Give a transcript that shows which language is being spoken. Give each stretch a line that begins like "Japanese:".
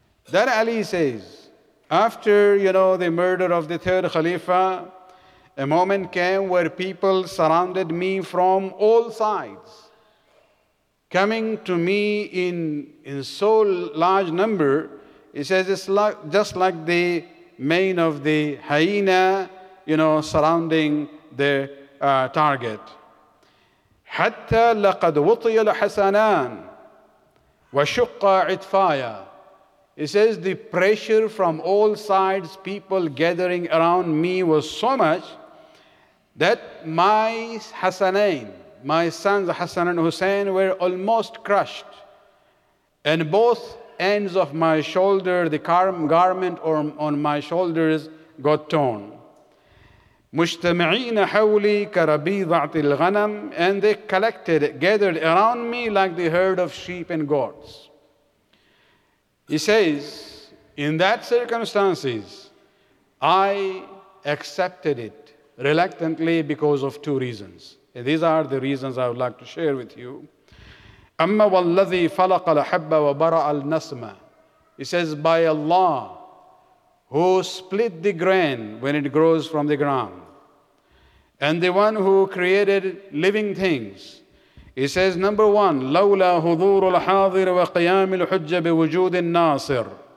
English: Then Ali says, after, you know, the murder of the third Khalifa, a moment came where people surrounded me from all sides, coming to me in so large number. He says, it's like, just like the mane of the hyena, you know, surrounding the target.
Arabic: حتى لقد وطي الحسنان وشق عطفايا.
English: He says the pressure from all sides, people gathering around me, was so much that my sons Hassan and Hussein were almost crushed, and both ends of my shoulder, the garment on my shoulders, got torn.
Arabic: مجتمعين حولي كربيضة الغنم,
English: and they collected, gathered around me like the herd of sheep and goats. He says, in that circumstances, I accepted it reluctantly because of two reasons. And these are the reasons I would like to share with you.
Arabic: أما والذي فلق الحب وبرع النسمة.
English: He says, by Allah, who split the grain when it grows from the ground, and the one who created living things. He says, number one,
Arabic: لَوْلَا هُضُورُ الْحَاضِرِ وَقِيَامِ الْحُجَّ بِوُجُودِ النَّاصِرِ.